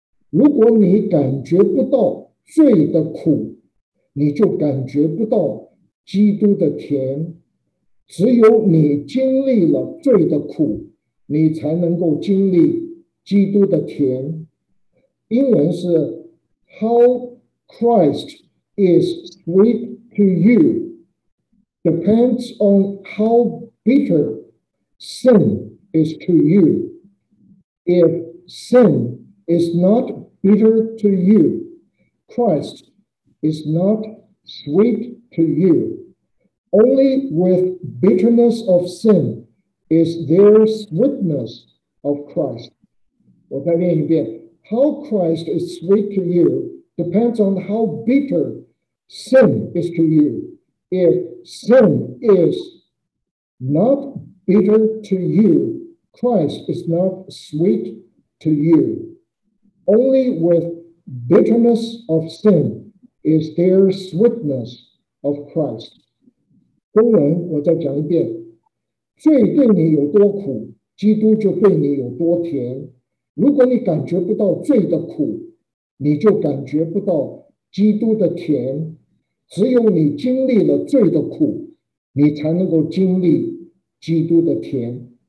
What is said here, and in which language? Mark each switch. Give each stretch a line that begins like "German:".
Chinese: 如果你感觉不到罪的苦，你就感觉不到基督的甜。只有你经历了罪的苦，你才能够经历基督的甜。英文是
English: How Christ is sweet to youDepends on how bitter sin is to you. If sin is not bitter to you, Christ is not sweet to you. Only with bitterness of sin is there sweetness of Christ.
Chinese: 我再念一遍，
English: How Christ is sweet to you depends on how bitter sin is to you. If sin is not bitter to you, Christ is not sweet to you. Only with bitterness of sin is there sweetness of Christ.
Chinese: 中文我再讲一遍，罪对你有多苦，基督就对你有多甜。如果你感觉不到罪的苦，你就感觉不到基督的甜。只有你经历了罪的苦，你才能够经历基督的甜。